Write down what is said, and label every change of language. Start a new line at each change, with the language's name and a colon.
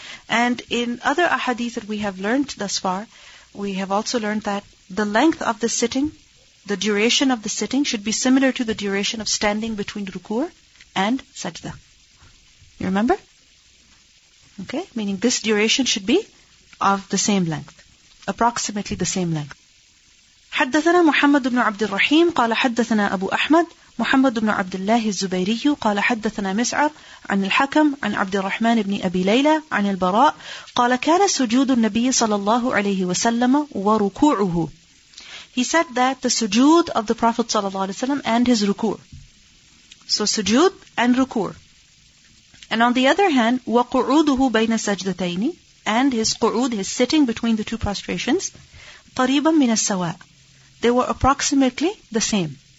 English: And in other ahadith that we have learned thus far, we have also learned that the length of the sitting, the duration of the sitting, should be similar to the duration of standing between ruku' and sajda. You remember? Okay, meaning this duration should be of the same length, approximately the same length.
Arabic: حدثنا محمد بن عبد الرحيم قال حدثنا أبو أحمد محمد بن عبد الله الزبيري قال حدثنا مسعر عن الحكم عن عبد الرحمن بن أبي ليلى عن البراء قال كان سجود النبي صلى الله عليه وسلم وركوعه.
English: He said that the sujood of the Prophet ﷺ and his ruku'. So sujood and ruku'. And on the other hand,
Arabic: وَقُعُودُهُ بَيْنَ سَجْدَتَيْنِ,
English: and his qu'ud, his sitting between the two prostrations,
Arabic: قَرِيبًا مِنَ السَّوَاءِ,
English: they were approximately the same.